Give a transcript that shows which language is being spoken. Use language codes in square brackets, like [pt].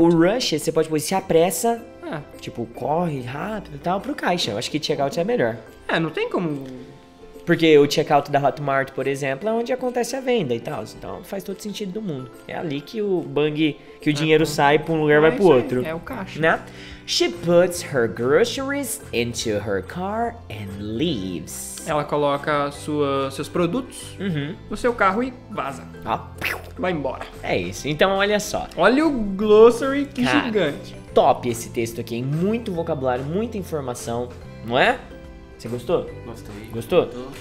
[pt] O rush, você pode pôr, se apressa, tipo, corre rápido e tal, pro caixa. Eu acho que checkout é melhor. É, não tem como... Porque o checkout da Hotmart, por exemplo, é onde acontece a venda e tal. Então faz todo sentido do mundo. É ali que o bang, que o dinheiro sai pra um lugar e vai pro outro. É o caixa. Né? [en] She puts her groceries into her car and leaves. [pt] Ela coloca seus produtos no seu carro e vaza. Ah, vai embora. É isso. Então olha só. Olha o glossary, que cara, gigante. Top esse texto aqui, hein? Muito vocabulário, muita informação, não é? Você gostou? Gostei. Gostou?